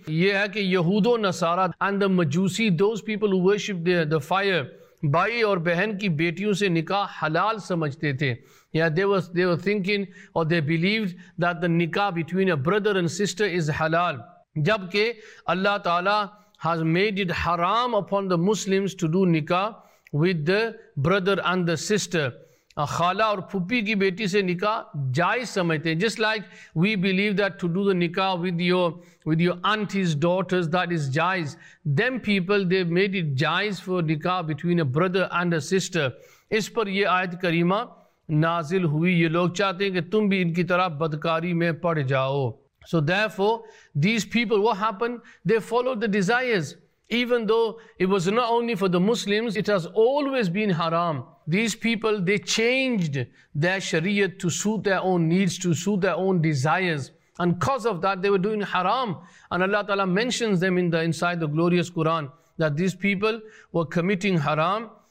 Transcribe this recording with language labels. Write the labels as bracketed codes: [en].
[ur] Ye hai ki yahudo nasara [en] and the majusi, those people who worship the fire, [ur] bhai aur behan ki betiyon se nikah halal samajhte the. [en] Yeah, they were thinking or they believed that the nikah between a brother and sister is halal, [ur] jabke [en] Allah Taala has made it haram upon the Muslims to do nikah with the brother and the sister. [ur] خالہ اور پھپی کی بیٹی سے نکاح جائز سمجھتے ہیں. [en] Just like we believe that to do the nikah with your auntie's daughters, that is jais. Them people, they made it jais for nikah between a brother and a sister. [ur] اس پر یہ آیت کریمہ نازل ہوئی. یہ لوگ چاہتے ہیں کہ تم بھی ان کی طرح بدکاری میں پڑ جاؤ. [en] So therefore, these people, what happened? They followed the desires. Even though it was not only for the Muslims, it has always been haram. These people, they changed their Sharia to suit their own needs, to suit their own desires. And because of that, they were doing haram. And Allah Ta'ala mentions them inside the glorious Quran, that these people were committing haram.